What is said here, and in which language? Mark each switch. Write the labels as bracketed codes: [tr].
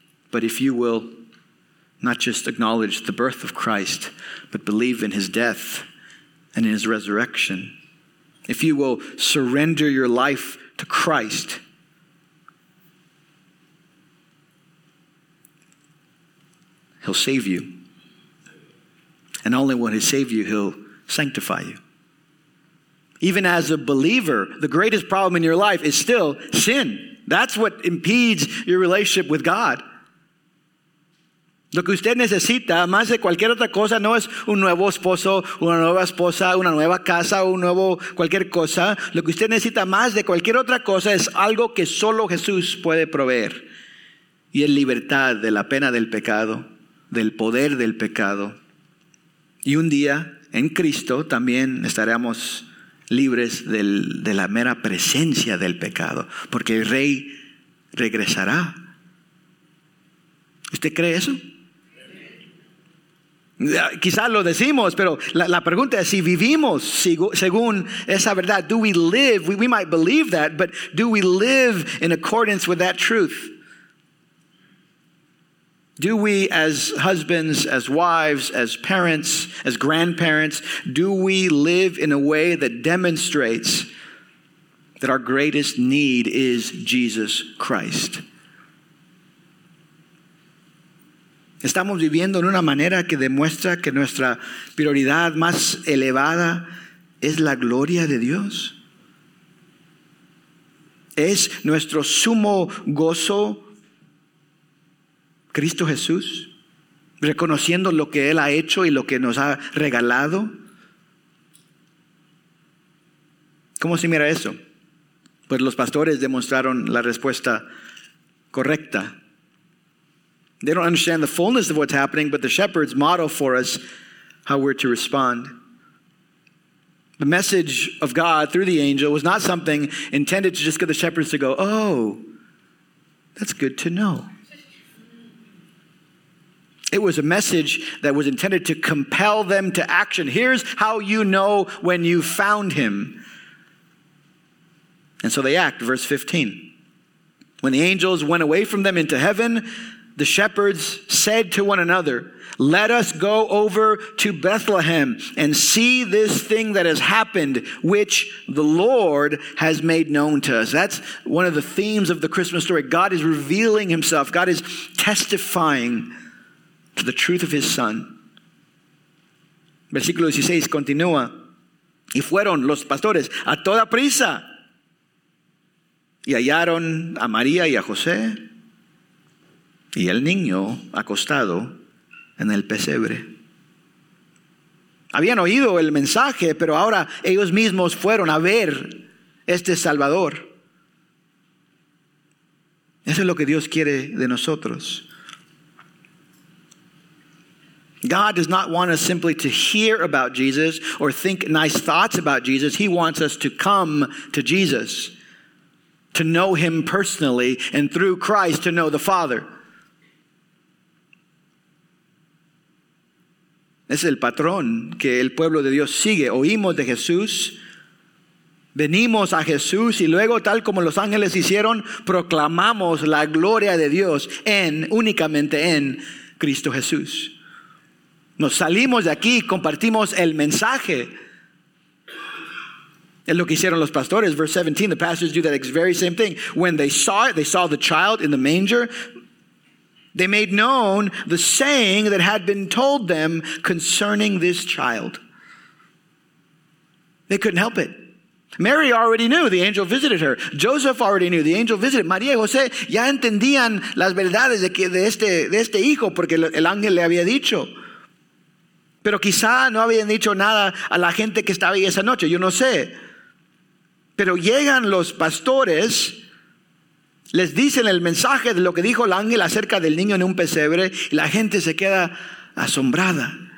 [en] But if you will not just acknowledge the birth of Christ, but believe in his death and in his resurrection, if you will surrender your life to Christ, he'll save you. And only when he saves you, he'll sanctify you. Even as a believer, the greatest problem in your life is still sin. That's what impedes your relationship with God. [es] Lo que usted necesita más de cualquier otra cosa no es un nuevo esposo, una nueva esposa, una nueva casa, un nuevo cualquier cosa. Lo que usted necesita más de cualquier otra cosa es algo que solo Jesús puede proveer. Y es libertad de la pena del pecado, del poder del pecado. Y un día en Cristo también estaremos libres de la mera presencia del pecado, porque el Rey regresará. ¿Usted cree eso? Quizás lo decimos, pero la pregunta es si vivimos según esa verdad. [en] Do we live? We might believe that, but do we live in accordance with that truth? Do we, as husbands, as wives, as parents, as grandparents, do we live in a way that demonstrates that our greatest need is Jesus Christ? [es] ¿Estamos viviendo en una manera que demuestra que nuestra prioridad más elevada es la gloria de Dios? ¿Es nuestro sumo gozo Cristo Jesús, reconociendo lo que Él ha hecho y lo que nos ha regalado? ¿Cómo se mira eso? Pues los pastores demostraron la respuesta correcta. [en] They don't understand the fullness of what's happening, but the shepherds model for us how we're to respond. The message of God through the angel was not something intended to just get the shepherds to go, oh, that's good to know. It was a message that was intended to compel them to action. Here's how you know when you found him. And so they act, verse 15. When the angels went away from them into heaven, the shepherds said to one another, let us go over to Bethlehem and see this thing that has happened, which the Lord has made known to us. That's one of the themes of the Christmas story. God is revealing himself. God is testifying to the truth of his son. [es] Versículo 16 continúa. Y fueron los pastores a toda prisa. Y hallaron a María y a José. Y el niño acostado en el pesebre. Habían oído el mensaje, pero ahora ellos mismos fueron a ver este Salvador. Eso es lo que Dios quiere de nosotros. [en] God does not want us simply to hear about Jesus or think nice thoughts about Jesus. He wants us to come to Jesus, to know him personally, and through Christ to know the Father. [es] Es el patrón que el pueblo de Dios sigue. Oímos de Jesús, Venimos a Jesús y luego, tal como los ángeles hicieron, proclamamos la gloria de Dios en, únicamente en Cristo Jesús. Nos salimos de aquí, compartimos el mensaje. Es lo que hicieron los pastores. [en] Verse 17, the pastors do that very same thing. When they saw it, they saw the child in the manger, they made known the saying that had been told them concerning this child. They couldn't help it. Mary already knew the angel visited her. Joseph already knew the angel visited. [es] María y José ya entendían las verdades de este hijo porque el ángel le había dicho. Pero quizá no habían dicho nada a la gente que estaba ahí esa noche. Yo no sé. Pero llegan los pastores, les dicen el mensaje de lo que dijo el ángel acerca del niño en un pesebre y la gente se queda asombrada.